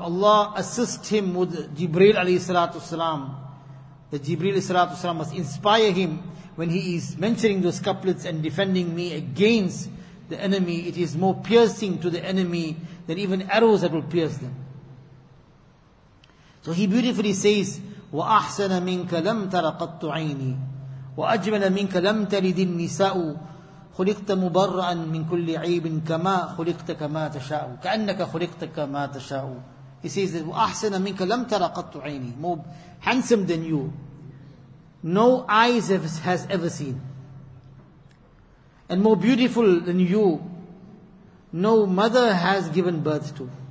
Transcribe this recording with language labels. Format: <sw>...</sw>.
<en>Allah assist him with Jibreel alayhi salatu wasalam. The Jibreel salatu wasalam must inspire him when he is mentioning those couplets and defending me against the enemy. It is more piercing to the enemy than even arrows that will pierce them.</en> <ar>So he beautifully says, وَأَحْسَنَ مِنْكَ لَمْ تَرَقَتْتُ عَيْنِي وَأَجْمَلَ مِنْكَ لَمْ تَرِدِ النِّسَاءُ خُلِقْتَ مُبَرَّأً مِنْ كُلِّ عَيْبٍ كَمَا خُلِقْتَ كَمَا تَشَاءُ كَأَنَّكَ خُلِقْتَ كَمَا تَشَاءُ.</ar> <en>He says that</en> <ar>وَأَحْسَنَ مِنْكَ لَمْ تَرَقَتْتُ عَيْنِي,</ar> <en>more handsome than you, no eyes has ever seen. And more beautiful than you, no mother has given birth to.</en>